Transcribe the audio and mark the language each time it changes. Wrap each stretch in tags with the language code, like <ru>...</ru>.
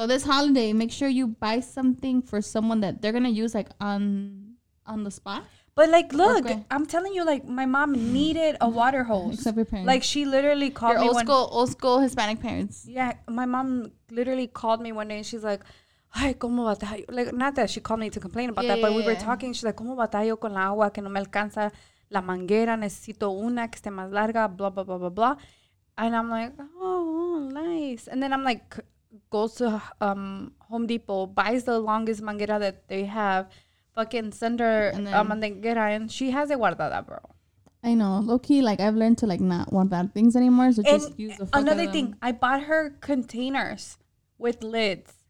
<en>this holiday, make sure you buy something for someone that they're going to use, like, on the spot. But, like, look, I'm telling you, like, my mom needed a water hose. Except your parents. Like, she literally called me. Old school Hispanic parents. Yeah, my mom literally called me one day, and she's like,</en> <es>ay, ¿cómo batallo?</es> <en>Like, not that she called me to complain about that, but we were talking. She's like,</en> <es>¿cómo batallo con la agua que no me alcanza la manguera? Necesito una que esté más larga, blah, blah, blah, blah, blah.</es> <en>And I'm like, oh, nice. And then I'm like, goes to Home Depot, buys the longest manguera that they have, fucking send her a manguera, and she has a guardada, bro. I know. Low-key, like, I've learned to, like, not want bad things anymore, so, and just use the fuck another thing, I bought her containers with lids.</en>